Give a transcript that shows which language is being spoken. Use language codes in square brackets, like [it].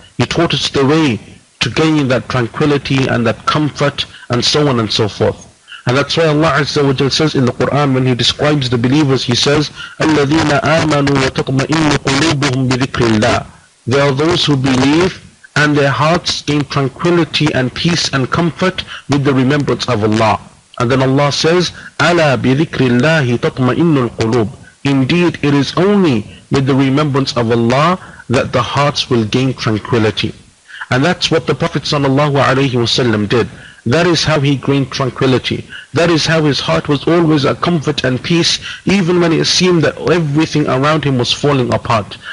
[en] He taught us the way to gain that tranquility and that comfort and so on and so forth. And that's why Allah azza wa jal says in the Quran, when he describes the believers, he says, [ar] الَّذِينَ آمَنُوا وَتَطْمَئِنُّ قُلُوبُهُمْ بِذِكْرِ اللَّهِ. [en] They are those who believe and their hearts gain tranquility and peace and comfort with the remembrance of Allah. And then Allah says, [ar] أَلَا بِذِكْرِ اللَّهِ تَطْمَئِنُّ الْقُلُوبُ. [en] Indeed, it is only with the remembrance of Allah that the hearts will gain tranquility. And that's what the Prophet sallallahu alayhi wasallam did. That is how he gained tranquility. That is how his heart was always at comfort and peace, even when it seemed that everything around him was falling apart.